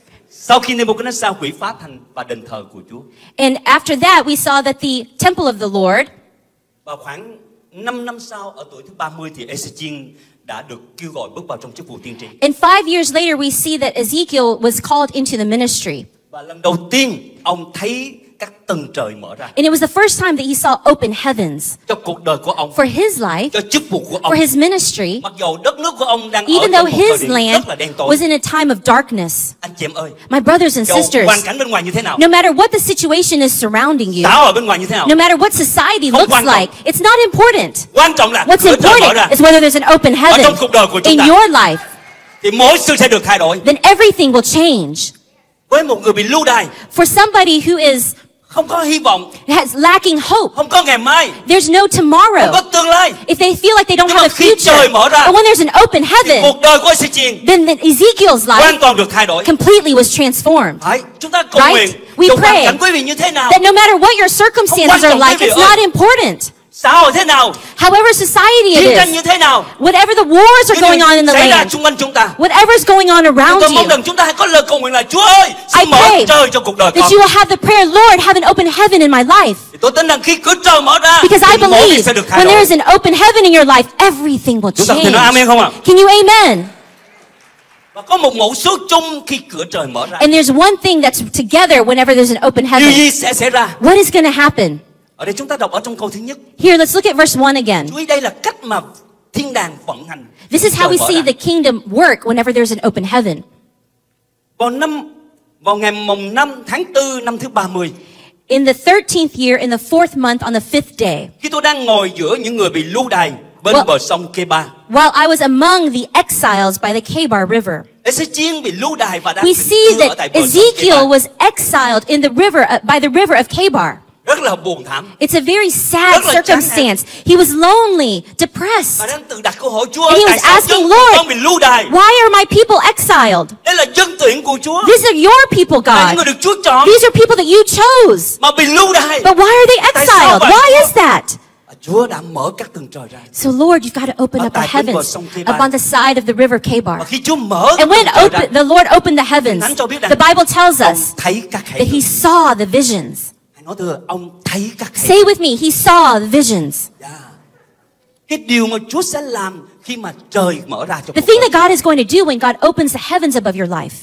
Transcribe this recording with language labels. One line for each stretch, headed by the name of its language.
Vietnamese: Sau khi và đền thờ của Chúa.
English: And after that, we saw that the temple of the Lord
Vietnamese: vào khoảng 5 năm sau, ở tuổi thứ 30, thì Ezekiel đã được kêu gọi bước vào trong chức vụ tiên tri.
English: And 5 years later, we see that Ezekiel was called into the ministry.
Vietnamese: Và lần đầu tiên, ông thấy các tầng trời mở ra.
English: And it was the first time that he saw open heavens.
Vietnamese: Cho cuộc đời của ông.
English: For his life.
Vietnamese: Cho chức vụ của ông.
English: For his ministry.
Vietnamese: Mặc dù đất nước của ông đang
English: even
Vietnamese: ở
English: though
Vietnamese: trong
English: his
Vietnamese: một thời điểm rất là đen tối.
English: Was in a time of darkness.
Vietnamese: Anh chị em ơi.
English: My brothers and sisters.
Vietnamese: Hoàn cảnh bên ngoài như thế nào?
English: No matter what the situation is surrounding you.
Vietnamese: Xã hội bên ngoài như thế nào?
English: No matter what society
Vietnamese: không
English: looks like. It's not important.
Vietnamese: Quan trọng là
English: what's important is whether there's an open heaven.
Vietnamese: Ở trong cuộc đời của chúng
English: in
Vietnamese: ta.
English: Your life.
Vietnamese: Thì mọi sự sẽ được thay đổi.
English: Then everything will change.
Vietnamese: Với một người bị lưu đày.
English: For somebody who is
Vietnamese: không có hy vọng.
English: Has lacking hope.
Vietnamese: Không có ngày mai.
English: There's no tomorrow.
Vietnamese: Không có tương lai.
English: If they feel like they don't
Vietnamese: nhưng
English: have a future.
Vietnamese: Khi trời mở ra.
English: But when there's an open heaven.
Vietnamese: Cuộc đời của Ezekiel.
English: Then Ezekiel's life.
Vietnamese: Hoàn toàn được thay đổi.
English: Completely was transformed. Right?
Vietnamese: Chúng ta cầu nguyện.
English: Right? We pray.
Vietnamese: Chẳng quý vị như thế nào.
English: That no matter what your circumstances are like. It's not important.
Vietnamese: Xã hội thế nào.
English: However society it is.
Vietnamese: Chiến tranh như thế nào.
English: Whatever the wars are going on in the land.
Vietnamese: Xảy ra chung quanh chúng ta.
English: Whatever's going on around you.
Vietnamese: Chúng ta mong rằng chúng ta hãy có lời cầu nguyện là Chúa ơi, xin mở trời cho cuộc đời con.
English: That you will have the prayer, Lord, have an open heaven in my life.
Vietnamese: Tôi tin rằng khi cửa trời mở ra.
English: Because I believe when there is an open heaven in your life, everything will change.
Vietnamese: Chúng ta có thể nói amen không ạ?
English: Can you amen?
Vietnamese: Và có một mẫu số chung khi cửa trời mở ra.
English: And there's one thing that's together whenever there's an open heaven.
Vietnamese: Điều gì sẽ xảy ra?
English: What is going to happen?
Vietnamese: Ở đây chúng ta đọc ở trong câu thứ nhất.
English: Here, let's look at verse 1 again.
Vietnamese: Chú ý đây là cách mà thiên đàng vận hành.
English: This is how we see the kingdom work whenever there's an open heaven.
Vietnamese: Vào ngày mùng 5 tháng 4 năm thứ 30.
English: In the 13th year, in the 4th month, on the 5th day.
Vietnamese: Khi tôi đang ngồi giữa những người bị lưu đày bên bờ sông Kebar.
English: While I was among the exiles by the Kabar River.
Vietnamese: Ezekiel bị lưu đày và đang
English: we see that Ezekiel was exiled in the river, by the river of Kabar.
Vietnamese: Rất là buồn thảm.
English: It's a very sad circumstance. He was lonely, depressed.
Vietnamese: Và đang tự đặt câu hỏi Chúa.
English: And he was asking, Lord, why are my people exiled?
Vietnamese: Đây là dân tuyển của Chúa.
English: These are your people, God.
Vietnamese: Người được Chúa chọn.
English: These are people that you chose.
Vietnamese: Mà bị lưu đày.
English: But why are they exiled? Why is that?
Vietnamese: Chúa đã mở các tầng trời ra.
English: So Lord, you've got to open up the heavens upon the side of the river Kabar.
Vietnamese: Mà khi Chúa mở
English: and when the Lord opened the heavens, the Bible tells us that he saw the visions.
Vietnamese: Nói thưa, ông thấy các
English: say with me, he saw the visions. Yeah.
Vietnamese: Cái điều mà Chúa sẽ làm khi mà trời mở ra cho
English: the thing that God is going to do when God opens the heavens above your life.